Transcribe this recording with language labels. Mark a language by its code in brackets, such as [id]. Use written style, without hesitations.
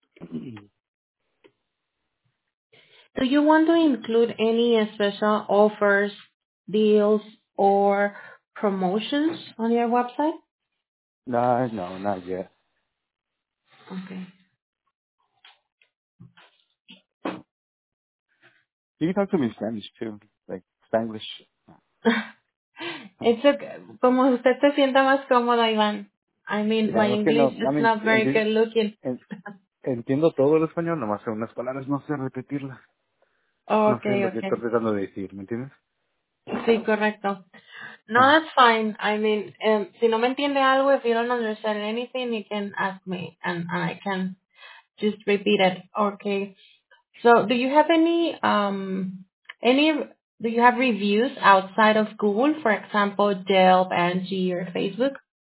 [en] Do you want to include any special offers, deals, or promotions on your website? No, not yet. Okay. You can talk to me in Spanish, too, like Spanglish. It's okay. [es] Como usted se sienta más cómodo, Iván. [en] I mean, yeah, my English is not very good looking. [es] Entiendo todo el español, nomás en unas palabras no sé repetirlas. [en] Okay. [es] No sé lo que estoy tratando de decir, ¿me entiendes? Sí, correcto. No, [en] that's fine. I mean, [es] si no me entiende algo, [en] if you don't understand anything, you can ask me and I can just repeat it. Okay. So, do you have do you have reviews outside of Google, for example, Yelp, Angie, or Facebook?